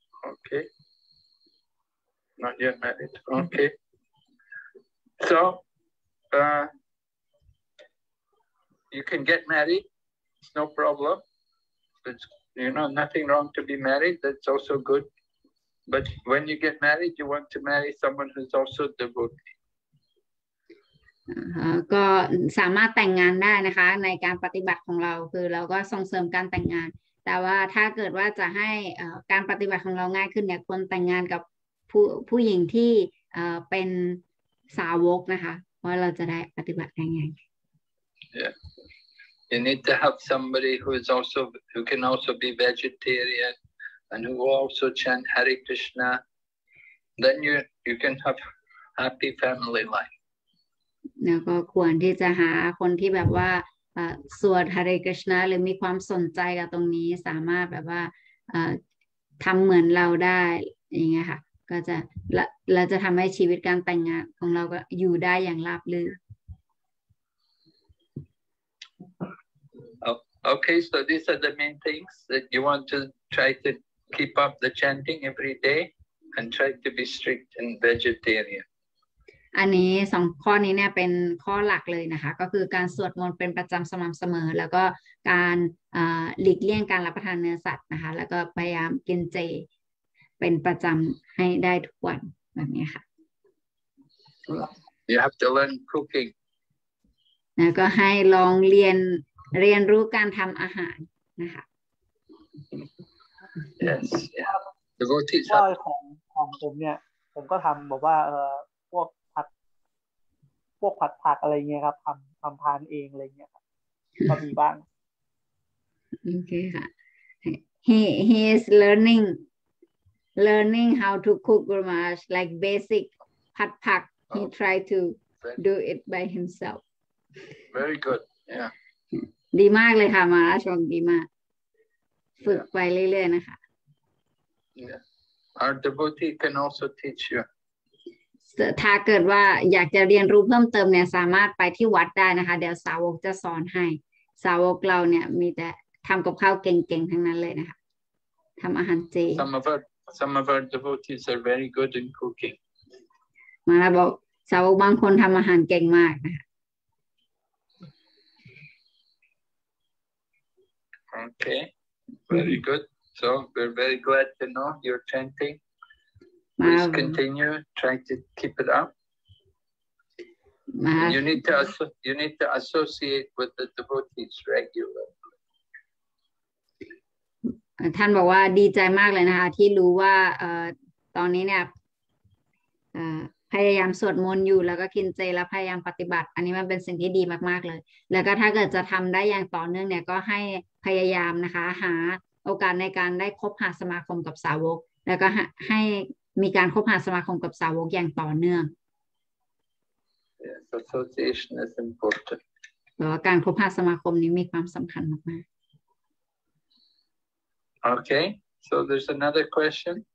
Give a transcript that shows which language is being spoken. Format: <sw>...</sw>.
<en>okay not yet married okay so you can get married it's no problem it's you know nothing wrong to be married that's also goodBut when you get married, you want to marry someone who's also devotee.</en> <th>ก็สามารถแต่งงานได้นะคะในการปฏิบัติของเราคือเราก็ส่งเสริมการแต่งงานแต่ว่าถ้าเกิดว่าจะให้การปฏิบัติของเราง่ายขึ้นเนี่ยควรแต่งงานกับผู้หญิงที่เป็นสาวกนะคะเพราะเราจะได้ปฏิบัติได้ง่าย</th> <en>Yeah. You need to have somebody who can also be vegetarian. And who also chant Hare Krishna, then you can have happy family life.</en> <th>แล้วก็ควรที่จะหาคนที่แบบว่าสวด Hare Krishna หรือมีความสนใจกับตรงนี้สามารถแบบว่าทำเหมือนเราได้อย่างเงี้ยค่ะก็จะเราจะทำให้ชีวิตการแต่งงานของเราก็อยู่ได้อย่างราบรื่น</th> <en>Okay, so these are the main things that you want to try to. Keep up the chanting every day and try to be strict and vegetarian.</en> <th>อันนี้สองข้อนี้เนี่ยเป็นข้อหลักเลยนะคะก็คือการสวดมนต์เป็นประจำสม่ำเสมอแล้วก็การหลีกเลี่ยงการรับประทานเนื้อสัตว์นะคะแล้วก็พยายามกินเจเป็นประจำให้ได้ทุกวันแบบนี้ค่ะ</th> <en>You have to learn cooking.</en> <th>แล้วก็ให้ลองเรียนรู้การทำอาหารนะคะ</th> <en>Yes. Yeah. Devotees.</en> <th>ใช่ของผมเนี่ยผมก็ทำแบบว่าพวกผัดผักอะไรเงี้ยครับทำทานเองอะไรเงี้ยก็มีบ้าง โอเคค่ะ</th> <en>he is learning how to cook gurmash like basic ผัดผัก he try to do it by himself very good yeah</en> <th>ดีมากเลยค่ะมาชมดีมากฝึกไปเรื่อยๆนะคะ</th> <en>Yeah. Our devotee can also teach you.</en> <th>ถ้าเกิดว่าอยากจะเรียนรู้เพิ่มเติมเนี่ยสามารถไปที่วัดได้นะคะเดี๋ยวสาวกจะสอนให้สาวกเราเนี่ยมีแต่ทำกับข้าวเก่งๆทั้งนั้นเลยนะคะทำอาหารเจ</th> <en>Some of our devotees are very good in cooking.</en> <th>มาแล้วบอกสาวกบางคนทำอาหารเก่งมากนะคะ</th> <en>Okay. Very good. So we're very glad to know you're chanting. Please continue, try to keep it up. You need to associate with the devotees regularly.</en> <th>ท่านบอกว่าดีใจมากเลยนะคะที่รู้ว่าตอนนี้เนี่ยพยายามสวดมนต์อยู่แล้วก็กินเจแล้วพยายามปฏิบัติอันนี้มันเป็นสิ่งที่ดีมากๆเลยแล้วก็ถ้าเกิดจะทำได้อย่างต่อเนื่องเนี่ยก็ให้พยายามนะคะหาโอกาสในการได้คบหาสมาคมกับสาวกแล้วก็ให้มีการคบหาสมาคมกับสาวกอย่างต่อเนื่อง</th> <en>Yes, association is important.</en> <th>แล้วการคบหาสมาคมนี้มีความสำคัญมากๆ</th> <en>Okay, so there's another question.</en>